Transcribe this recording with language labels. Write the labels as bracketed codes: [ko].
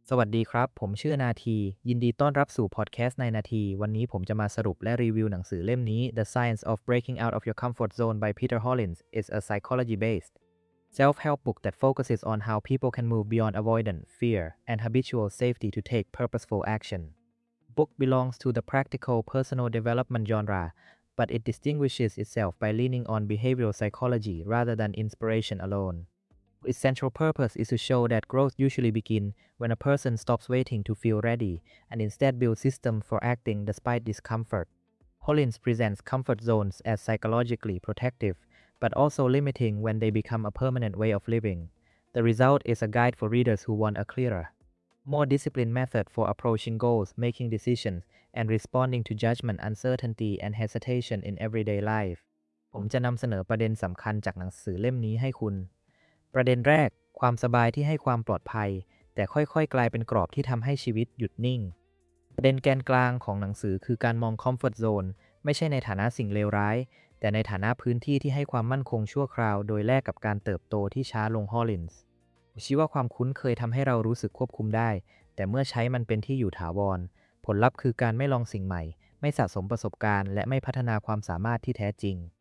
[th] สวัสดีครับผมชื่อนาทียินดีต้อนรับสู่พอดแคสต์ในนาทีวันนี้ผมจะมาสรุปและรีวิวหนังสือเล่มนี้ [en] The Science of Breaking Out of Your Comfort Zone by Peter Hollins is a psychology-based self-help book that focuses on how people can move beyond avoidance, fear, and habitual safety to take purposeful action. Book belongs to the practical personal development genre, but it distinguishes itself by leaning on behavioral psychology rather than inspiration alone. Its central purpose is to show that growth usually begins when a person stops waiting to feel ready and instead builds systems for acting despite discomfort. Hollins presents comfort zones as psychologically protective, but also limiting when they become a permanent way of living. The result is a guide for readers who want a clearer, more disciplined method for approaching goals, making decisions, and responding to judgment, uncertainty, and hesitation in everyday life. [th] ผมจะนำเสนอประเด็นสำคัญจากหนังสือเล่มนี้ให้คุณประเด็นแรกความสบายที่ให้ความปลอดภัยแต่ค่อยๆกลายเป็นกรอบที่ทำให้ชีวิตหยุดนิ่ง ประเด็นแกนกลางของหนังสือคือการมองคอมฟอร์ตโซนไม่ใช่ในฐานะสิ่งเลวร้ายแต่ในฐานะพื้นที่ที่ให้ความมั่นคงชั่วคราวโดยแลกกับการเติบโตที่ช้าลงฮอลลินส์ชี้ว่าความคุ้นเคยทำให้เรารู้สึกควบคุมได้แต่เมื่อใช้มันเป็นที่อยู่ถาวรผลลัพธ์คือการไม่ลองสิ่งใหม่ไม่สะสมประสบการณ์และไม่พัฒนาความสามารถที่แท้จริง